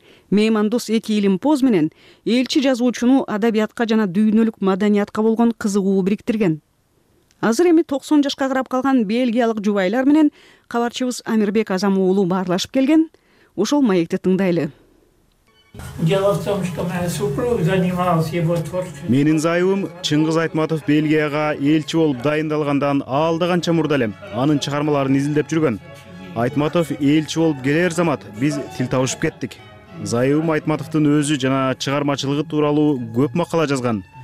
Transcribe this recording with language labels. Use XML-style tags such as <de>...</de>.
<ky>Меймандос эки илимпоз менен элчи жазуучуну адабиятка жана дүйнөлүк маданиятка болгон кызыгуу бириктирген. Азыр эми 90 жашка карап калган бельгиялык жубайлар менен кабарчыбыз Амирбек Азам уулу баарлашып келген. Ошол маекти тыңдайлы.</ky> <ru>Дело в том, что моя супруга занималась его творчеством.</ru> <ky>Менин зайыбым Чыңгыз Айтматов Бельгияга элчи болуп дайындалгандан алды канча мурда эле анын чыгармаларын изилдеп жүргөн. Айтматов элчи болуп келер замат биз тил табышып кеттик. Зайыбым Айтматовдун өзү жана чыгармачылыгы тууралуу көп макала жазган.</ky>